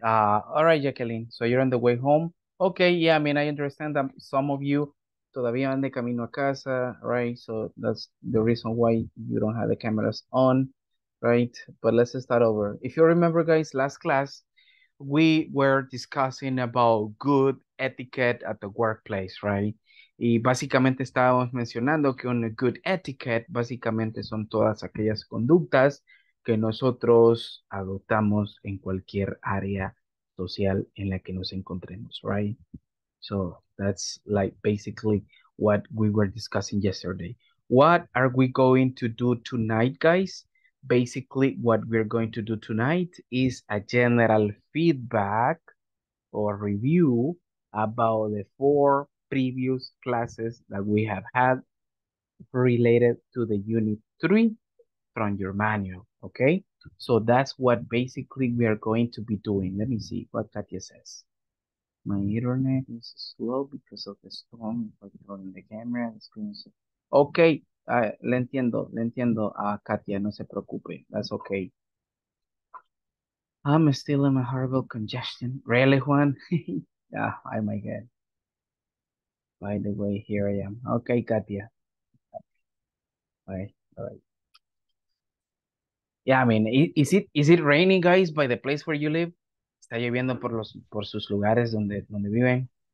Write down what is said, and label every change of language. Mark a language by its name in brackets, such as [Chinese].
[English] All right, Jacqueline. So you're on the way home. Okay. Yeah. I mean, I understand that some of you [Spanish] todavía van de camino a casa, [English] right? So that's the reason why you don't have the cameras on, right? But let's start over. If you remember, guys, last class, we were discussing about good etiquette at the workplace, right? [Spanish] Y básicamente estábamos mencionando que un [English] good etiquette [Spanish] básicamente son todas aquellas conductas que nosotros adoptamos en cualquier área social en la que nos encontremos, right? [English] So that's like basically what we were discussing yesterday. What are we going to do tonight, guys? Basically, what we're going to do tonight is a general feedback or review about the four previous classes that we have had related to the unit 3 from your manual, okay? So that's what basically we are going to be doing. Let me see what Katia says. My internet is slow because of the storm, but on the camera, the screen is... Okay. Le entiendo a Katia, no se preocupe, that's okay. I'm still in a horrible congestion. Really, Juan? Yeah, I might get. By the way, here I am. Okay, Katia. Bye. All right. Yeah, I mean, is it raining, guys, by the place where you live? [Spanish] ¿Está lloviendo por los por sus lugares donde donde viven?